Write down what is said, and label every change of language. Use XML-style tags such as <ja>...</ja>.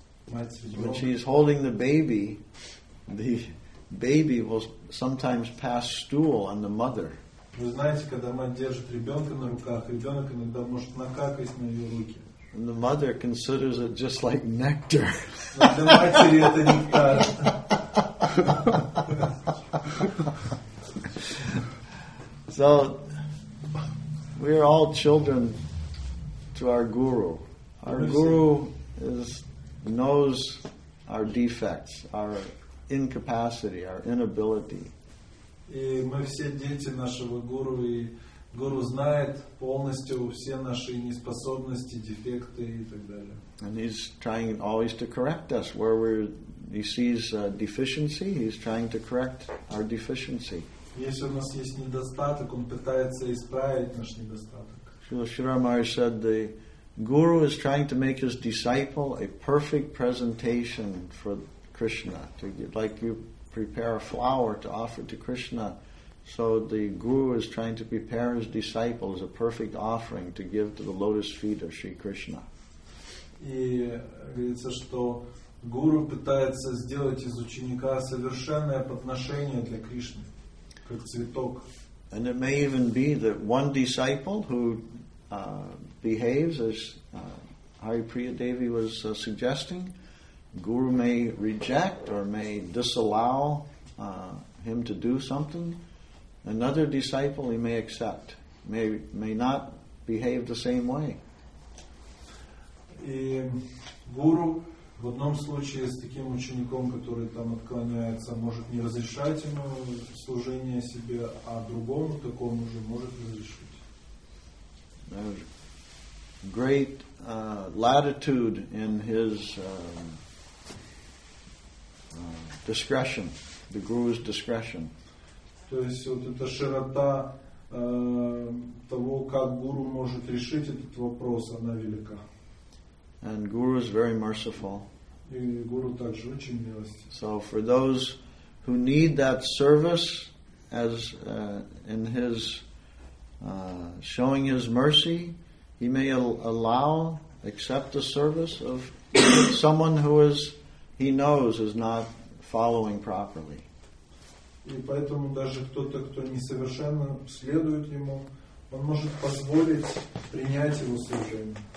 <en>When she's holding the baby, the baby will sometimes pass stool on the mother.</en> <ru>Вы знаете, когда мать держит ребенка на руках, ребенок иногда может накакать на ее руки.</ru> <en>And the mother considers it just like nectar.</en> <ru>Для матери это нектар.</ru> <en>So we are all children to our guru. Our guru knows our defects, our incapacity, our inability.</en> <ru>И мы все дети нашего гуру, и гуру знает полностью все наши неспособности, дефекты и так далее.</ru> <en>And he's trying always to correct us where he sees deficiency. He's trying to correct our deficiency.</en> <ru>Если у нас есть недостаток, он пытается исправить наш недостаток.</ru> <en>Srila Shiramari said the guru is trying to make his disciple a perfect presentation for Krishna, to get, like you prepare a flower to offer to Krishna, so the guru is trying to prepare his disciple as a perfect offering to give to the lotus feet of Sri Krishna.</en> <ru>И говорится, что гуру пытается сделать из ученика совершенное подношение для Кришны, как цветок.</ru> <en>And it may even be that one disciple who behaves as Hari Priya Devi was suggesting, guru may reject or may disallow him to do something. Another disciple he may accept, may not behave the same way.</en> <ru>И гуру в одном случае с таким учеником, который там отклоняется, может не разрешать ему служение себе, а другому такому же может разрешить.</ru> <en>Great latitude in his discretion, the guru's discretion.</en> <ru>То есть вот эта широта того, как гуру может решить этот вопрос, она велика.</ru> <en>And guru is very merciful.</en> <ru>И гуру также очень милостив.</ru> <en>So for those who need that service, as in his showing his mercy, he may accept the service of someone who is he knows is not following properly.</en> <ru>И поэтому даже кто-то, кто несовершенно следует ему, он может позволить принять его служение.</ru>